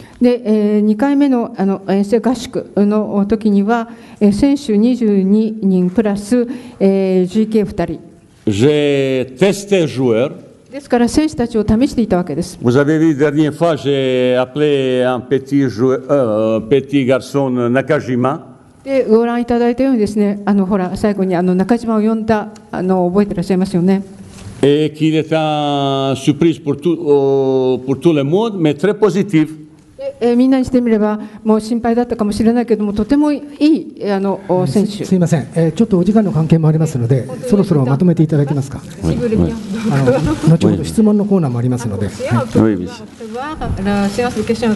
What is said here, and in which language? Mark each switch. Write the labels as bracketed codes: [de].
[ja] で2回目 の, あの遠征合宿の時には選手22人プラス GK2 人 [fr] j'ai testé joueur. [ja] ですから選手たちを試していたわけです。 [fr] Vous avez vu, dernière fois, j'ai appelé un petit, petit garçon Nakajima. [ja] でご覧いただいたようにですね、あのほら最後にあの中島を呼んだあの覚えてらっしゃいますよね。 [fr] Et qui est un surprise pour tout, pour tout le monde, mais très positif. [ja] みんなにしてみればもう心配だったかもしれないけども、とてもいいあの選手。すいません、ちょっとお時間の関係もありますので、そろそろまとめていただけますか。あの後ほど質問のコーナーもありますので。はい、シェアスケーションは